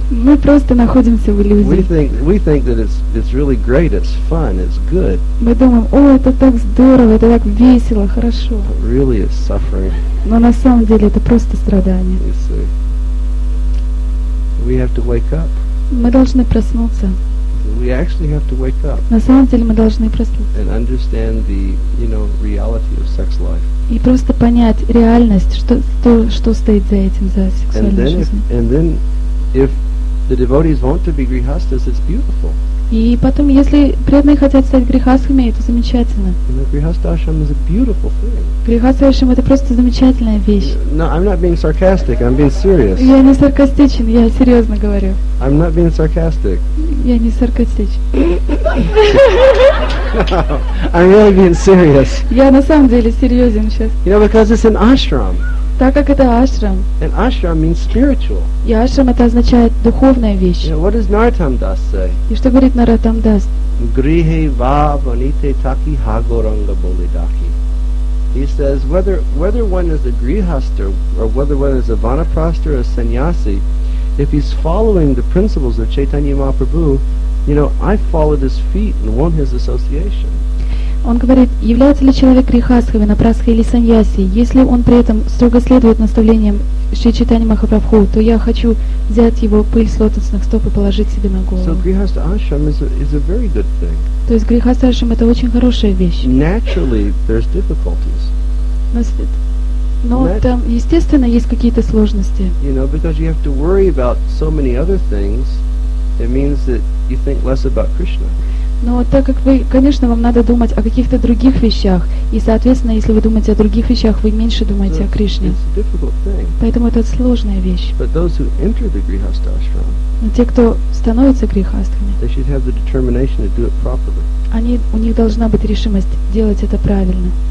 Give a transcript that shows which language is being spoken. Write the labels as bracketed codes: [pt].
[ru] Мы просто находимся в иллюзии. [en] We think that it's really great, it's fun, it's good. [ru] Мы думаем, о, это так здорово, это так весело, хорошо. [en] But really it's suffering. [ru] Но на самом деле это просто страдание. [en] You see. We have to wake up. [ru] Мы должны проснуться. [en] We actually have to wake up. [ru] На самом деле мы должны проснуться. [en] And understand the, you know, reality of sex life. [ru] И просто понять реальность, что стоит за этим, за сексуальной жизнью. [en] And then if the devotees want to be grihasthas, it's beautiful. [ru] И потом, если преданные хотят стать грихасхами, это замечательно. [en] You know, грихастхашрам is a beautiful thing. [ru] Грихастхашрам это просто замечательная вещь. [en] No, I'm not being sarcastic. I'm being serious. [ru] Я не саркастичен, я серьезно говорю. [en] I'm not being sarcastic. [ru] Я не саркастичен. [en] No, I'm really being serious. [ru] Я на самом деле серьезен сейчас. [en] You know, because it's an ashram. [ru] Так как это ашрам. [en] And ashram means spiritual. [ru] И ашрам это означает духовная вещь. [en] You know, what does Narottam Das say? [ru] И что говорит Narottam Das? [bn] Грихе ва ваните таки хагоранга болидаки. [en] He says whether one is a grihastha or whether one is a vanaprastha or a sannyasi, if he's following the principles of Chaitanya Mahaprabhu, you know, I followed his feet and won his association. [ru] Он говорит, является ли человек грихастхой, напрасхой или саньяси, если он при этом строго следует наставлениям Шри Чайтаньи Махапрабху, то я хочу взять его пыль с лотосных стоп и положить себе на голову. [en] So, grihastha ashram is a very good thing. [ru] То есть грихастха ашрам это очень хорошая вещь. [en] Naturally, there's difficulties. [ru] Но там, естественно, есть какие-то сложности. [en] You know, because you have to worry about so many other things, it means that you think less about Krishna. [ru] Но так как вы, конечно, вам надо думать о каких-то других вещах, и, соответственно, если вы думаете о других вещах, вы меньше думаете [en] so [ru] о Кришне. Поэтому это сложная вещь. Но те, кто становится грихастхами, у них должна быть решимость делать это правильно.